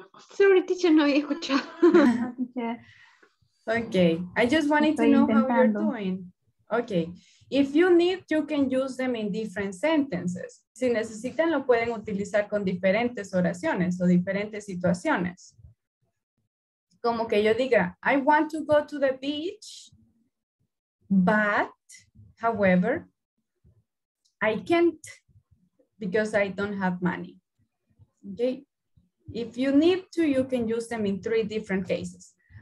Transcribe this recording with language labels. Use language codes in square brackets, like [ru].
[es] Sorry, teacher, no he escuchado. [en] Okay, I just wanted to know how you're doing. Okay, if you need, you can use them in different sentences. [es] Si necesitan, lo pueden utilizar con diferentes oraciones o diferentes situaciones. Como que yo diga, [en] I want to go to the beach, but, however, I can't because I don't have money. Okay, if you need to, you can use them in three different cases.